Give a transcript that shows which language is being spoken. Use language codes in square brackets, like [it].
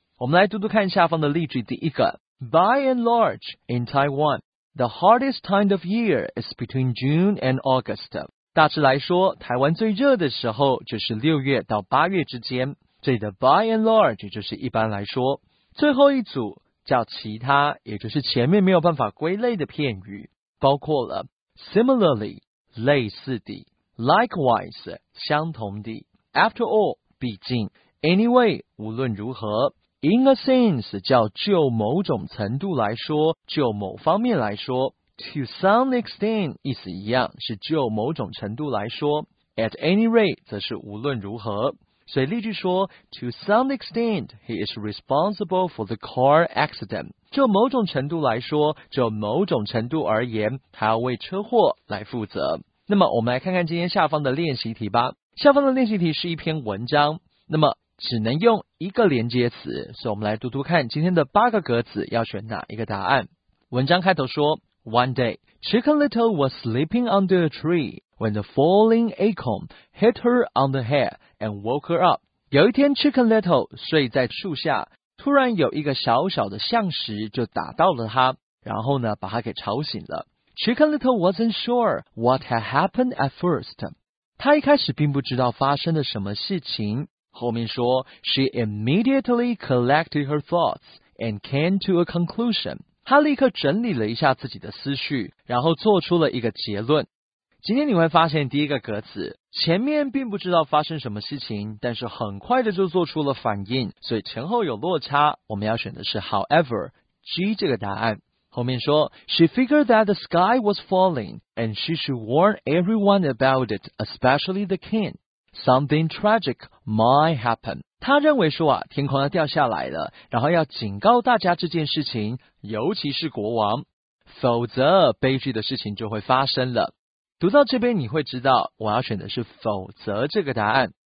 [zh] 我们来读读看下方的例句，第一个 [en] ，By and large in Taiwan， the hottest time of year is between June and August。 [zh] 大致来说，台湾最热的时候就是六月到八月之间。这里的 by and large 就是一般来说。最后一组叫其他，也就是前面没有办法归类的片语，包括了 similarly 类似的 ，likewise 相同的 ，after all 毕竟 ，anyway 无论如何 ，in a sense 叫就某种程度来说，就某方面来说。 To some extent 意思一样，是就某种程度来说。 At any rate 则是无论如何。所以例句说 ， [en] To some extent he is responsible for the car accident。 [zh] 就某种程度来说，就某种程度而言，他要为车祸来负责。那么我们来看看今天下方的练习题吧。下方的练习题是一篇文章，那么只能用一个连接词，所以我们来读读看今天的八个格子要选哪一个答案。文章开头说。 [en] One day, Chicken Little was sleeping under a tree when the falling acorn hit her on the head and woke her up. [zh] 有一天 Chicken Little 睡在树下，突然有一个小小的象石就打到了他，然后呢把他给吵醒了。 [en] Chicken Little wasn't sure what had happened at first. [zh] 他一开始并不知道发生了什么事情。后面说 [en] ,She immediately collected her thoughts and came to a conclusion. [zh] 他立刻整理了一下自己的思绪，然后做出了一个结论。今天你会发现第一个格子，前面并不知道发生什么事情，但是很快的就做出了反应，所以前后有落差，我们要选的是 however, G 这个答案。后面说 [en] ,She figured that the sky was falling, and she should warn everyone about it, especially the king. Something tragic might happen. [zh] 他认为说啊，天空要掉下来了，然后要警告大家这件事情，尤其是国王，否则悲剧的事情就会发生了。读到这边你会知道，我要选的是否则这个答案。